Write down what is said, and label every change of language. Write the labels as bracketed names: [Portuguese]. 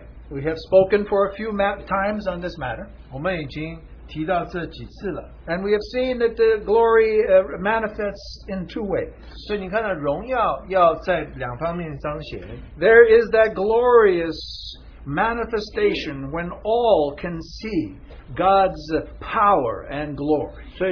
[English] we have spoken for a few times on this matter. And we have seen that the glory manifests in two ways. [Chinese] 所以你看到荣耀要在两方面彰显。 [English] There is that glorious manifestation when all can see God's power and glory.